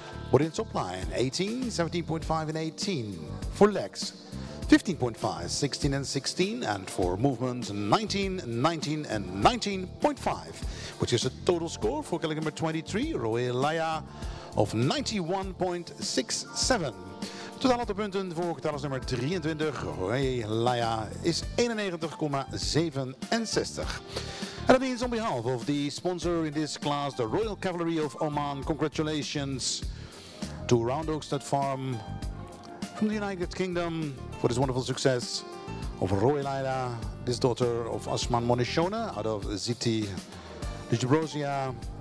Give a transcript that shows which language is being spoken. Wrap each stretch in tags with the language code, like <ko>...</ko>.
<en>But in top line, 18, 17.5 and 18. For legs, 15.5, 16 and 16, and for movement 19, 19 and 19.5, which is a total score for Gaelic number 23, Rui Laya, of 91.67.</en> <nl>Totaal aantal punten voor getallen nummer 23, Rui Laya, is 91.67.</nl> <en>And that means on behalf of the sponsor in this class, the Royal Cavalry of Oman, congratulations to Round Oak Stud Farm from the United Kingdom for this wonderful success of Rui Laya, this daughter of Osman Monishona out of Ziti Ljubrosia.</en>